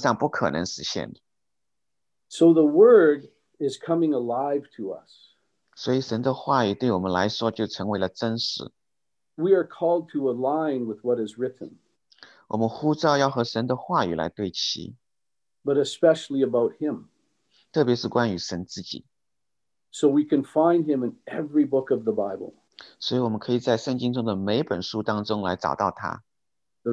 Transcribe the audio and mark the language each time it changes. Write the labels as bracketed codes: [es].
[zh] 所以数学家们就在想，这是一个数字，这是一个概率，是基本上不可能实现的。So [en] the word is coming alive to us. [zh] 所以神的话语对我们来说就成为了真实。We [en] are called to align with what is written. [zh] 我们呼召要和神的话语来对齐。But [en] especially about him. [zh] 特别是关于神自己。So [en] we can find him in every book of the Bible. [zh] 所以我们可以在圣经中的每本书当中来找到他。The